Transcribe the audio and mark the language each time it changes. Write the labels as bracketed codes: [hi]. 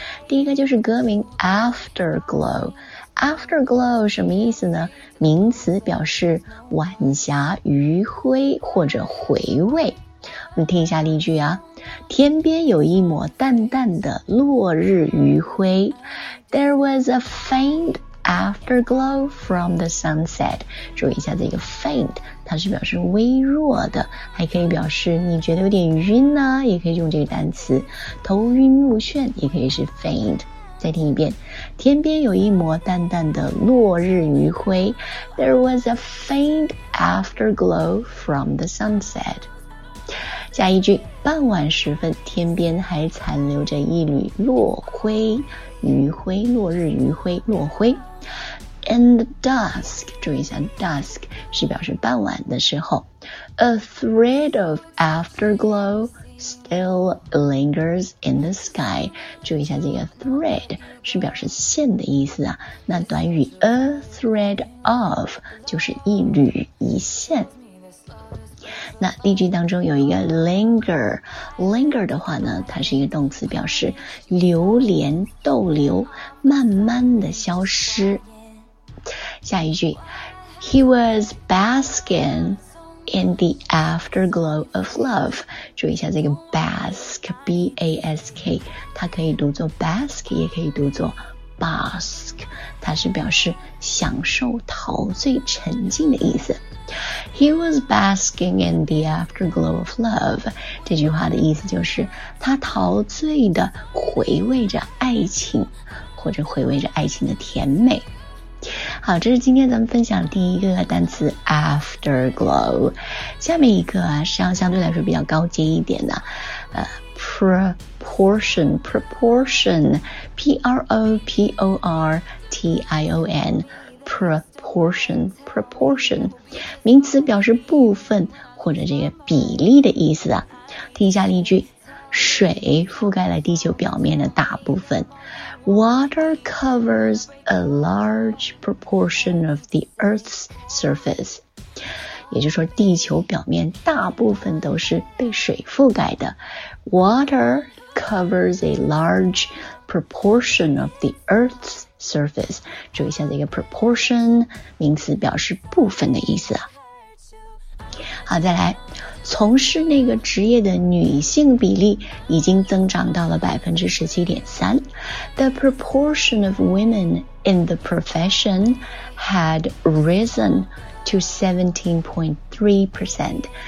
[zh] 第一个就是歌名 Afterglow。Afterglow 什么意思呢？名词表示晚霞余晖或者回味。我们听一下例句啊，天边有一抹淡淡的落日余晖。 [en] There was a faint afterglow from the sunset. [zh] 注意一下这个 faint， 它是表示微弱的，还可以表示你觉得有点晕呢、啊，也可以用这个单词，头晕目眩也可以是 faint。再听一遍，天边有一抹淡淡的落日余晖。 [en] There was a faint afterglow from the sunset. [zh] 下一句，傍晚时分，天边还残留着一缕落晖，余晖，落日余晖，落晖。 [en] In the dusk， [zh] 注意一下 ，dusk 是表示傍晚的时候。 [en] A thread of afterglow still lingers in the sky。 [zh] 注意一下这个 thread 是表示线的意思啊。那短语 a thread of 就是一缕一线。那例句当中有一个 linger 的话呢，它是一个动词，表示流连逗留，慢慢的消失。下一句， [en] He was basking in the afterglow of love. [zh] 注意一下这个 bask, B-A-S-K, 它可以读作 bask, 也可以读作 bask, 它是表示享受、陶醉、沉浸的意思。 [en] He was basking in the afterglow of love. [zh] 这句话的意思就是他陶醉地回味着爱情，或者回味着爱情的甜美。好，这是今天咱们分享的第一个单词 afterglow。下面一个啊，是要相对来说比较高阶一点的proportion P-R-O-P-O-R-T-I-O-N proportion 名词，表示部分或者这个比例的意思啊。听一下例句，水覆盖了地球表面的大部分。 [en] Water covers a large proportion of the Earth's surface. [zh] 也就是说地球表面大部分都是被水覆盖的。 [en] Water covers a large proportion of the Earth's surface. [zh] 注意一下这个 proportion， 名词表示部分的意思啊。好，再来，从事那个职业的女性比例已经增长到了 17.3%。 [en] The proportion of women in the profession had risen to 17.3%。